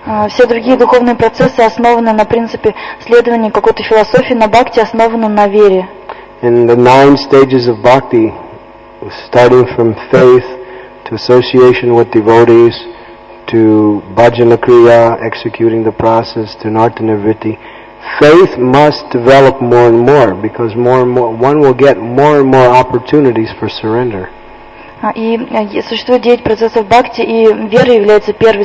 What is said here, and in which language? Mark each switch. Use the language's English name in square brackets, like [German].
[Russian] Все другие духовные процессы основаны на принципе следования какой-то философии, но бхакти основана на вере. [English] In the 9 stages of bhakti, starting from faith to association with devotees, to bhajana kriya, executing the process, to nartanavritti, faith must develop more and more, because more and more, one will get more and more opportunities for surrender. [Russian] И существует 9 процессов бхакти, и вера является первой.